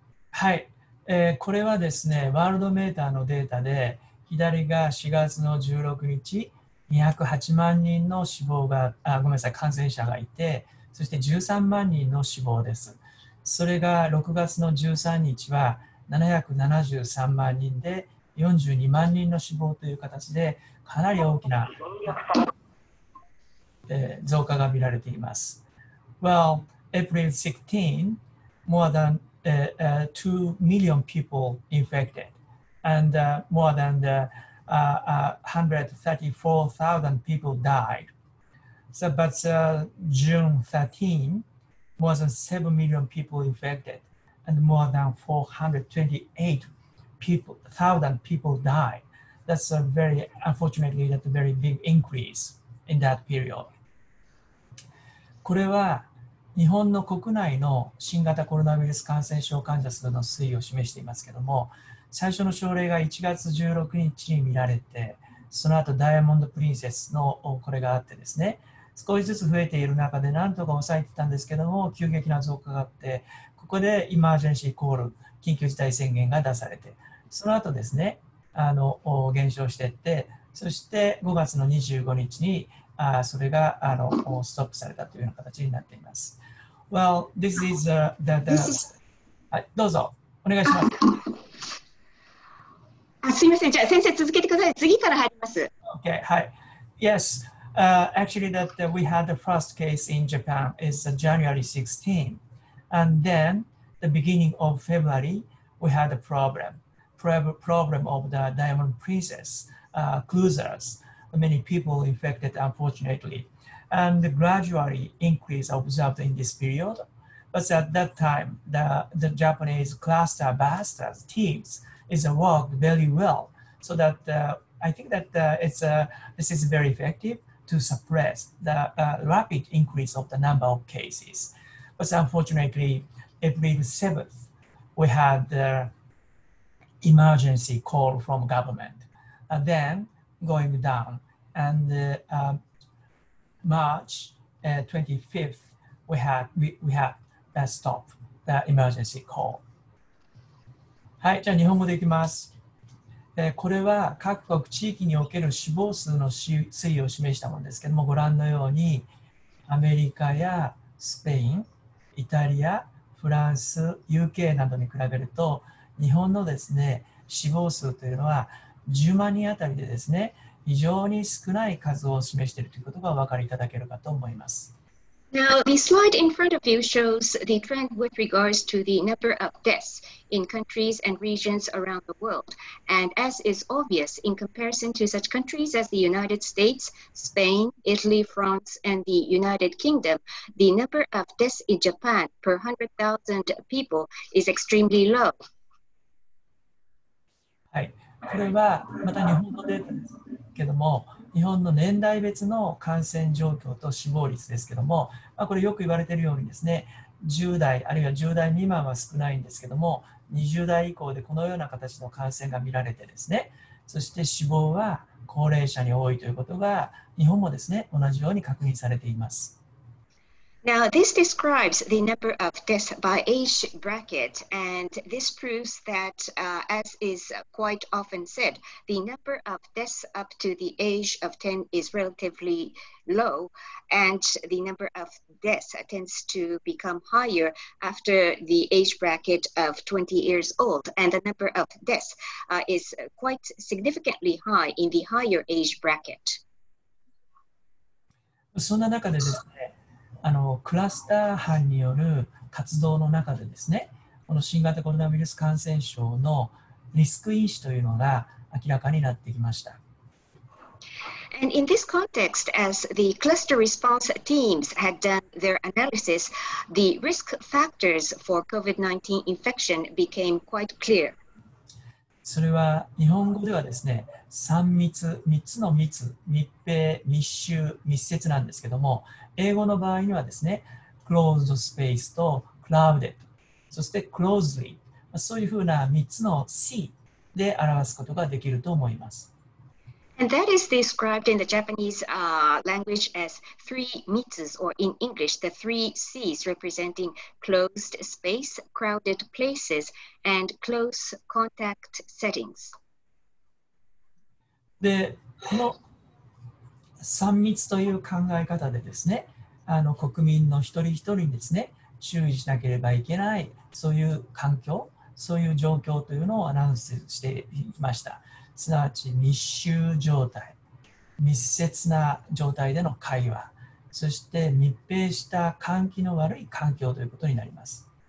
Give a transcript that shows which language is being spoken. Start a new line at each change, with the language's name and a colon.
Japanese: はい、これはですね、ワールドメーターのデータで、左が4月の16日、208万人の死亡が、感染者がいて、そして13万人の死亡です。それが6月の13日は773万人で、42万人の死亡という形で、かなり大きな増加が見られています。
English: Well, April 16, more than 2 million people infected, and more than 134,000 people died. So, but June 13, more than 7 million people infected, and more than 428,000 people died. That's a very, unfortunately, that's a very big increase in that period.
Japanese: これは日本の国内の新型コロナウイルス感染症患者数の推移を示していますけれども、最初の症例が1月16日に見られて、その後ダイヤモンドプリンセスのこれがあってですね、少しずつ増えている中でなんとか抑えてたんですけども、急激な増加があって、ここでイマージェンシーコール、緊急事態宣言が出されて、その後ですね、減少していって、そして5月の25日にそれがストップされたというような形になっています。
English: Well, this is the
Japanese: はい、どうぞ、お願いします。すみません、じゃあ先生続けてください。次から入ります。
English: Okay, hi. Yes, actually that we had the first case in Japan is January 16. And then, the beginning of February, we had a problem. Problem of the Diamond Princess, cruisers. Many people infected, unfortunately. And gradually increase observed in this period. But at that time, the Japanese cluster busters teams is worked very well. So that I think that this is very effective to suppress the rapid increase of the number of cases. But unfortunately, April 7th, we had the emergency call from government. And then going down. And March 25th, we had stop the emergency call.
Japanese: はい、じゃあ日本語でいきます。これは各国地域における死亡数の推移を示したものですけども、ご覧のようにアメリカやスペイン、イタリア、フランス、UK などに比べると、日本のですね、死亡数というのは10万人あたりでですね、非常に少ない数を示しているということがお分かりいただけるかと思います。
English: Now, the slide in front of you shows the trend with regards to the number of deaths in countries and regions around the world. And as is obvious, in comparison to such countries as the United States, Spain, Italy, France, and the United Kingdom, the number of deaths in Japan per 100,000 people is extremely low.
Japanese: はい、これはまた日本のデータです。けども、日本の年代別の感染状況と死亡率ですけども、まあ、これよく言われているようにですね、10代あるいは10代未満は少ないんですけども、20代以降でこのような形の感染が見られてですね、そして死亡は高齢者に多いということが日本もですね、同じように確認されています。
English: Now, this describes the number of deaths by age bracket, and this proves that, as is quite often said, the number of deaths up to the age of 10 is relatively low, and the number of deaths tends to become higher after the age bracket of 20 years old, and the number of deaths is quite significantly high in the higher age bracket.
Japanese: そんな中でですね、あのクラスター班による活動の中でですね、この新型コロナウイルス感染症のリスク因子というのが明らかになってきました。
English: And in this context, as the cluster response teams had done their analysis, the risk factors for COVID-19 infection became quite clear.
Japanese: それは日本語ではですね、三密、三つの密、密閉、密集、密接なんですけども、英語の場合にはですね、closed space と crowded、そして closely、そういうふうな三つの C で表すことができると思います。
English: And that is described in the Japanese language as three mitsus, or in English, the three C's representing closed space, crowded places, and close contact settings.
Japanese: で、この三密という考え方でですね、あの国民の一人一人にですね、注意しなければいけない、そういう環境、そういう状況というのをアナウンスしていきました。すなわち密集状態、密接な状態での会話、そして密閉した換気の悪い環境ということになります。